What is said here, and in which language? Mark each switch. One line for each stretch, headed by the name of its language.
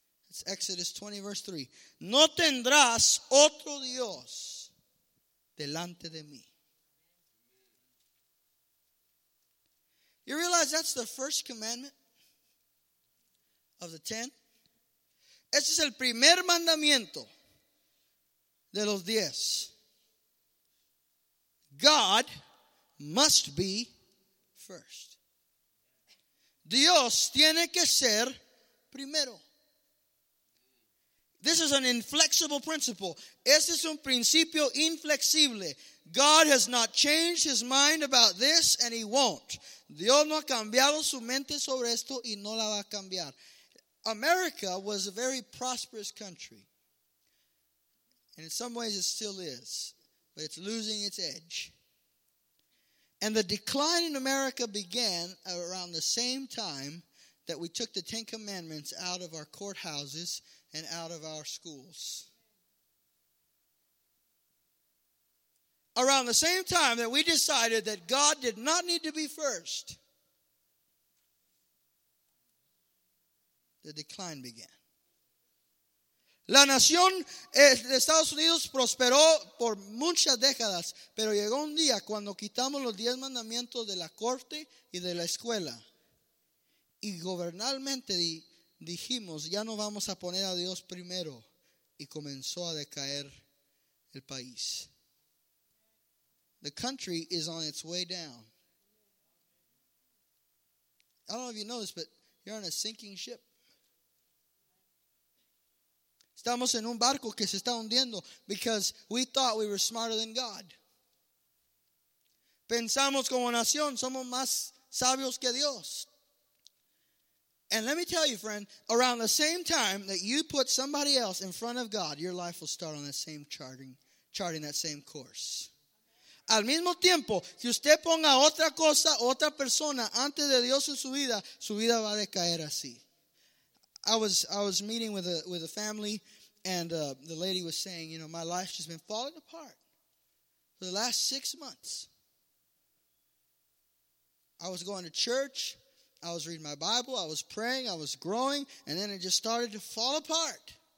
English: It's Exodus 20, verse 3.
Spanish: No tendrás otro Dios delante de mí.
English: You realize that's the first commandment of the 10?
Spanish: Este es el primer mandamiento de los diez.
English: God must be first.
Spanish: Dios tiene que ser primero.
English: This is an inflexible principle.
Spanish: Este es un principio inflexible.
English: God has not changed his mind about this, and he won't.
Spanish: Dios no ha cambiado su mente sobre esto y no la va a cambiar.
English: America was a very prosperous country. And in some ways it still is, but it's losing its edge. And the decline in America began around the same time that we took the Ten Commandments out of our courthouses and out of our schools. Around the same time that we decided that God did not need to be first, the decline began.
Spanish: La nación de Estados Unidos prosperó por muchas décadas, pero llegó un día cuando quitamos los 10 mandamientos de la corte y de la escuela. Y gobernalmente dijimos, ya no vamos a poner a Dios primero. Y comenzó a decaer el país.
English: The country is on its way down. I don't know if you know this, but you're on a sinking ship.
Spanish: Estamos en un barco que se está hundiendo
English: because we thought we were smarter than God.
Spanish: Pensamos como nación, somos más sabios que Dios.
English: And let me tell you, friend, around the same time that you put somebody else in front of God, your life will start on the same charting that same course.
Spanish: Al mismo tiempo, si usted ponga otra cosa, otra persona antes de Dios en su vida va a decaer así.
English: I was meeting with a family, and the lady was saying, you know, my life's just been falling apart for the last 6 months. I was going to church, I was reading my Bible, I was praying, I was growing, and then it just started to fall apart.